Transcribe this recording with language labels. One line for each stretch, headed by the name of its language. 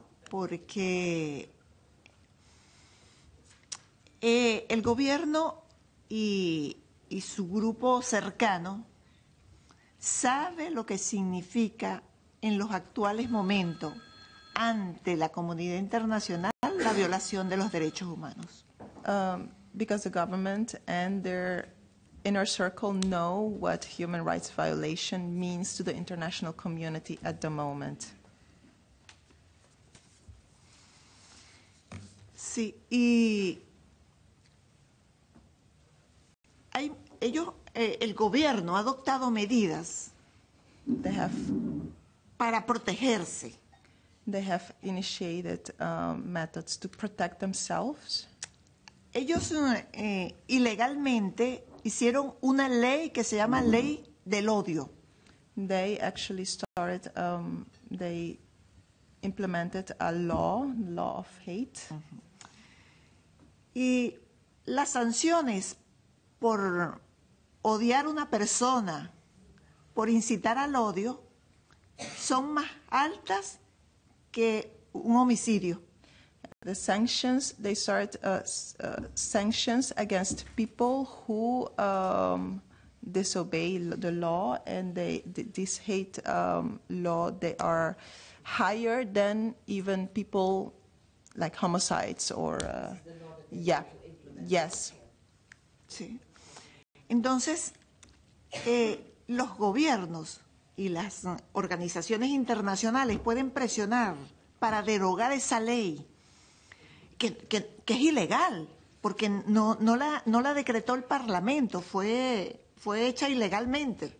Spanish: Porque el gobierno y su grupo cercano sabe lo que significa en los actuales momentos ante la comunidad internacional la violación de los derechos humanos.
English: Because the government and their inner circle know what human rights violation means to the international community at the moment.
Spanish: Sí, y hay, ellos, el gobierno ha adoptado medidas para protegerse.
English: They have initiated methods to protect themselves.
Spanish: Ellos ilegalmente hicieron una ley que se llama Ley del Odio.
English: They actually started, they implemented a law, law of hate. Uh-huh.
Spanish: Y las sanciones por odiar una persona, por incitar al odio, son más altas que un homicidio.
English: The sanctions, they start sanctions against people who disobey the law, and they this hate law, they are higher than even people like homicides or yes.
Spanish: Sí. Entonces, los gobiernos y las organizaciones internacionales pueden presionar para derogar esa ley. Que es ilegal, porque no la decretó el Parlamento, fue hecha ilegalmente.